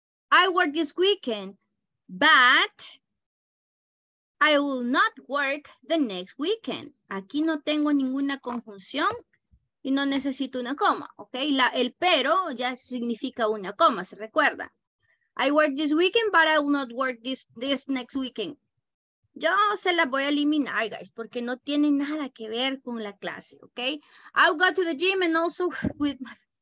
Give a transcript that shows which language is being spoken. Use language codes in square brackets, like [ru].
[en] I work this weekend, but I will not work the next weekend. [es] Aquí no tengo ninguna conjunción y no necesito una coma, ¿ok? El pero ya significa una coma, ¿se recuerda? [en] I work this weekend, but I will not work this next weekend. [es] Yo se la voy a eliminar, guys, porque no tiene nada que ver con la clase, ¿ok? [en] I'll go to the gym and also with my...